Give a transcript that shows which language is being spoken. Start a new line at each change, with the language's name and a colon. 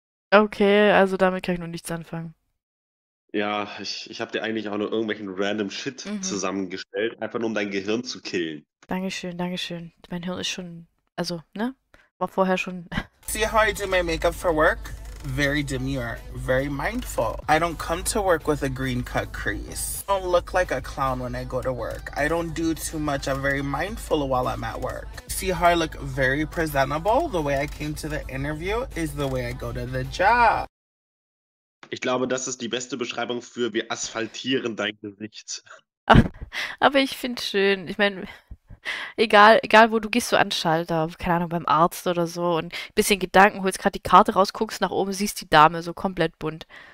German: Okay, also damit kann ich noch nichts anfangen. Ja, ich habe dir eigentlich auch nur irgendwelchen random Shit zusammengestellt, einfach nur um dein Gehirn zu killen. Dankeschön, Dankeschön. Mein Hirn ist schon, also, ne? War vorher schon.
English: See how I do my makeup for work? Very demure, very mindful. I don't come to work with a green cut crease. I don't look like a clown when I go to work. I don't do too much. I'm very mindful while I'm at work. See how I look very presentable? The way I came to the interview is the way I go to the job.
German: Ich glaube, das ist die beste Beschreibung für wir asphaltieren dein Gesicht. Aber ich finde es schön. Ich meine, egal wo du gehst, so an Schalter, keine Ahnung, beim Arzt oder so und ein bisschen Gedanken, holst gerade die Karte raus, guckst nach oben, siehst die Dame so komplett bunt.